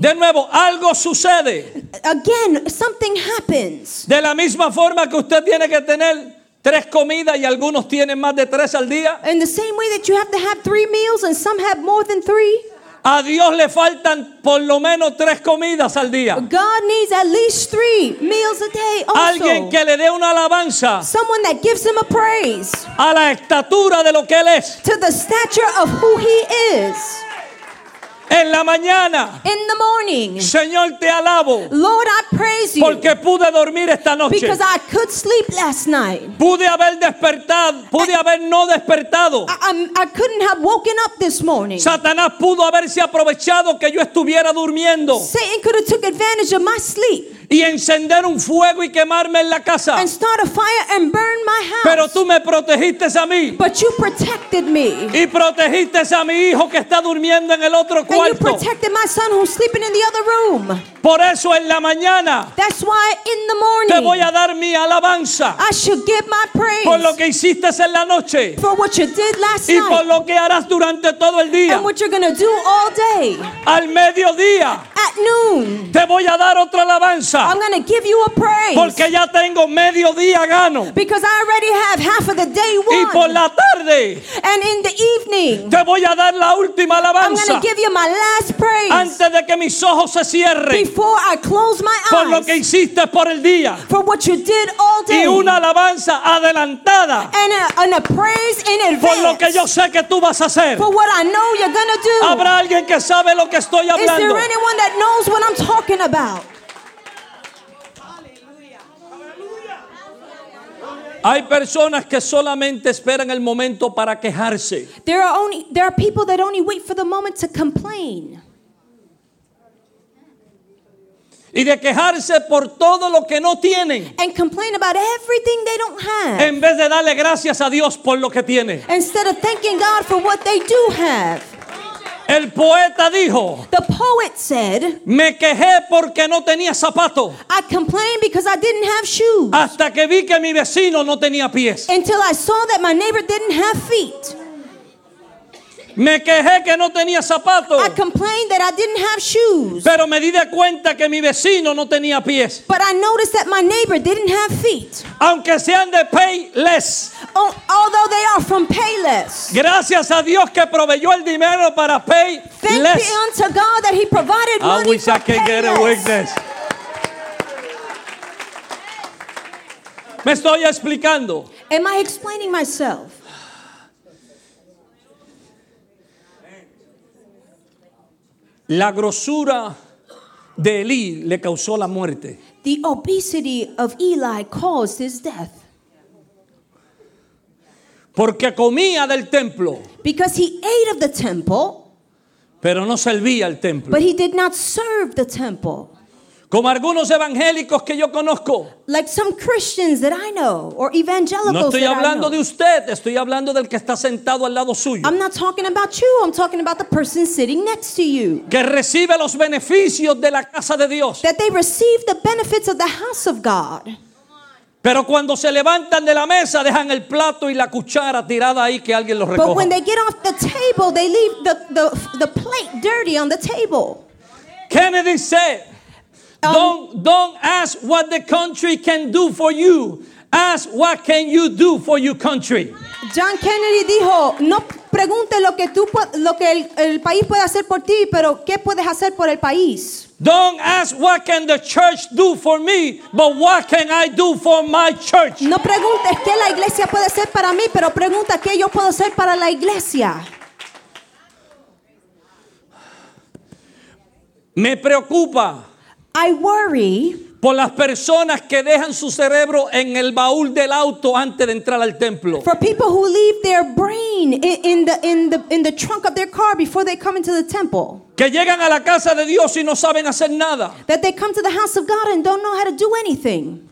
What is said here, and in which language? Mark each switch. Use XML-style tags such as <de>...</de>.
<es>De nuevo, algo sucede.</es> <en>Again, something happens.</en> <es>De la misma forma que usted tiene que tener tres comidas y algunos tienen más de tres al día.</es> <en>In the same way that you have to have three meals and some have more than three.</en> <es>A Dios le faltan por lo menos tres comidas al día.</es> <en>God needs at least three meals a day also.</en> <es>Alguien que le dé una alabanza.</es> <en>Someone that gives him a praise.</en> <es>A la estatura de lo que él es.</es> <en>To the stature of who he is.</en> <es>En la mañana.</es> <en>In the morning.</en> <es>Señor, te alabo.</es> <en>Lord, I praise you.</en> <es>Porque pude dormir esta noche.</es> <en>Because I could sleep last night.</en> <es>Pude haber despertado. Pude haber no despertado.</es> <en>I couldn't have woken up this morning.</en> <es>Satanás pudo haberse aprovechado que yo estuviera durmiendo.</es> <en>Satan could have took advantage of my sleep.</en> <es>Y encender un fuego y quemarme en la casa.</es> <en>And start a fire and burn my house.</en> <es>Pero tú me protegiste a mí.</es> <en>But you protected me.</en> <es>Y protegiste a mi hijo que está durmiendo en el otro cuarto.</es> <en>And you protected my son who's sleeping in the other room.</en> <es>Por eso en la mañana.</es> <en>That's why in the morning.</en> <es>Te voy a dar mi alabanza.</es> <en>I should give my praise.</en> <es>Por lo que hiciste en la noche.</es> <en>For what you did last night.</en> <es>Y por lo que harás durante todo el día.</es> <en>And what you're gonna do all day.</en> <es>Al mediodía.</es> <en>At noon.</en> <es>Te voy a dar otra alabanza.</es> <en>I'm going to give you a praise.</en> <es>Porque ya tengo medio día gano.</es> <en>Because I already have half of the day won.</en> <es>Y por la tarde.</es> <en>And in the evening.</en> <es>Te voy a dar la última alabanza.</es> <en>I'm going to give you my last praise.</en> <es>Antes de que mis ojos se cierren.</es> <en>Before I close my eyes.</en> <es>Por lo que hiciste por el día.</es> <en>For what you did all day.</en> <es>Y una alabanza adelantada.</es> <en>And a praise in advance.</en> <es>Por lo que yo sé que tú vas a hacer.</es> <en>For what I know you're going to do.</en> <es>¿Habrá alguien que sabe lo que estoy hablando?</es> <en>Is there anyone that knows what I'm talking about?</en> <es>Hay personas que solamente esperan el momento para quejarse.</es> <en>There are people that only wait for the moment to complain.</en> <es>Y de quejarse por todo lo que no tienen.</es> <en>And complain about everything they don't have.</en> <es>En vez de darle gracias a Dios por lo que tienen.</es> <en>Instead of thanking God for what they do have.</en> <es>El poeta dijo.</es> <en>The poet said.</en> <es>Me quejé porque no tenía zapato.</es> <en>I complained because I didn't have shoes.</en> <es>Hasta que vi que mi vecino no tenía pies.</es> <en>Until I saw that my neighbor didn't have feet.</en> <es>Me quejé que no tenía zapato.</es> <en>I complained that I didn't have shoes.</en> <es>Pero me di de cuenta que mi vecino no tenía pies.</es> <en>But I noticed that my neighbor didn't have feet.</en> <es>Aunque sean de Payless.</es> <en>Although they are from Payless.</en> <es>Gracias a Dios que proveyó el dinero para Payless.</es> <en>Thank you unto God that he provided money for Payless. I wish I could get a witness.</en> <es>Me estoy explicando.</es> <en>Am I explaining myself?</en> <es>La grosura de Eli le causó la muerte.</es> <en>The obesity of Eli caused his death.</en> <es>Porque comía del templo.</es> <en>Because he ate of the temple.</en> <es>Pero no servía al templo.</es> <en>But he did not serve the temple.</en> <es>Como algunos evangélicos que yo conozco.</es> <en>Like some Christians that I know, or evangelicals that I know.</en> <es>No estoy hablando de usted, estoy hablando del que está sentado al lado suyo.</es> <en>I'm not talking about you, I'm talking about the person sitting next to you.</en> <es>Que recibe los beneficios de la casa de Dios.</es> <en>That they receive the benefits of the house of God.</en> <es>Pero cuando se levantan de la mesa, dejan el plato y la cuchara tirada ahí que alguien los recoja.</es> <en>But when they get off the table, they leave the plate dirty on the table. Kennedy said. Don't ask what the country can do for you. Ask what can you do for your country.</en> <es>John Kennedy dijo, no pregunte lo que tú lo que el país puede hacer por ti, pero qué puedes hacer por el país.</es> <en>Don't ask what can the church do for me, but what can I do for my church.</en> <es>No preguntes qué la iglesia puede hacer para mí, pero pregunta qué yo puedo hacer para la iglesia. Me preocupa.</es> <en>I worry</en> <es>por las personas que dejan su cerebro en el baúl del auto antes de entrar al templo.</es> <en>For people who leave their brain in the trunk of their car before they come into the temple.</en> <es>Que llegan a la casa de Dios y no saben hacer nada.</es> <en>That they come to the house of God and don't know how to do anything.</en>